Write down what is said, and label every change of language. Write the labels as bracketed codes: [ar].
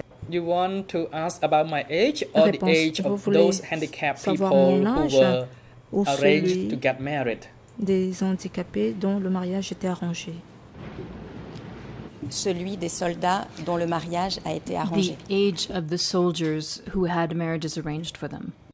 [en] You want to ask about my age or the age of those handicapped people who were arranged to get married? [fr] Des handicapés dont le mariage était arrangé. Celui des soldats dont le mariage a été arrangé. [en] The age of the soldiers who had marriages arranged for them.